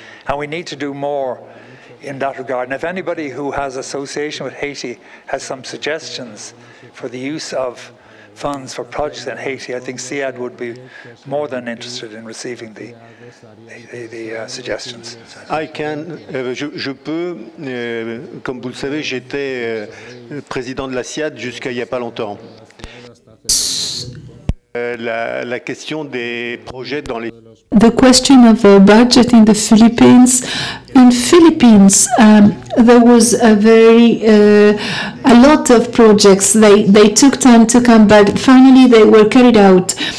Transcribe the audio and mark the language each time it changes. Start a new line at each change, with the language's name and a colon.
English: And we need to do more in that regard. And if anybody who has association with Haiti has some suggestions for the use of funds for projects in Haiti, I think SEAD would be more than interested in receiving the suggestions. I can.
French: Je peux. Comme vous le savez, j'étais président de la SEAD jusqu'à il y a pas longtemps. La question des projets dans les.
English: The question of the budget in the Philippines. In Philippines, there was a lot of projects. They took time to come, but finally they were carried out.